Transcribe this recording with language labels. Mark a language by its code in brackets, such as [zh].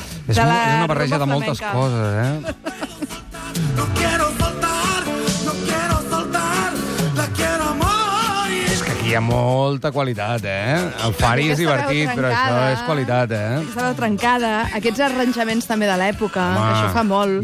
[ca] És una barreja de moltes coses, [es] No quiero soltar, no quiero soltar, la quiero morir. [ca] És que aquí hi ha molta qualitat, El Fari és divertit, però això és qualitat, Aquesta veu trencada, aquests arranjaments també de l'època, això fa molt.